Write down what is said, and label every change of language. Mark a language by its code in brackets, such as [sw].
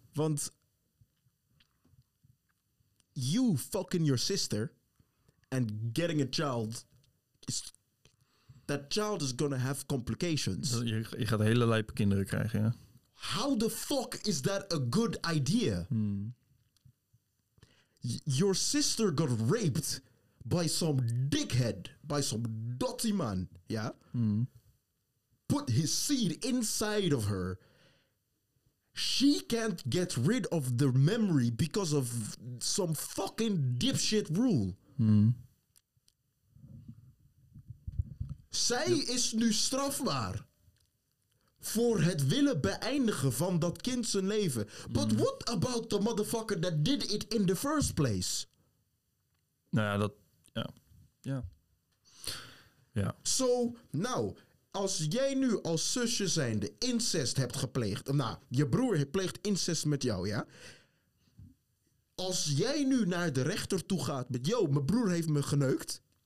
[en] Want you fucking your sister and getting a child, that child is gonna have complications. [nl] Je gaat hele lijpe kinderen krijgen, ja. [en] How the fuck is that a good idea? Mm. Your sister got raped by some dickhead, by some dotty man, ja? Mm. Put his seed inside of her. She can't get rid of the memory because of some fucking dipshit rule. Hmm. [nl] Zij is nu strafbaar voor het willen beëindigen van dat kind zijn leven. Hmm. [en] But what about the motherfucker that did it in the first place? [nl] Nou ja, dat, ja. Ja. Ja. [en] So, now, [nl] als jij nu als zusje zijnde incest hebt gepleegd, nou, je broer pleegt incest met jou, ja? Als jij nu naar de rechter toe gaat met, yo, mijn broer heeft me geneukt.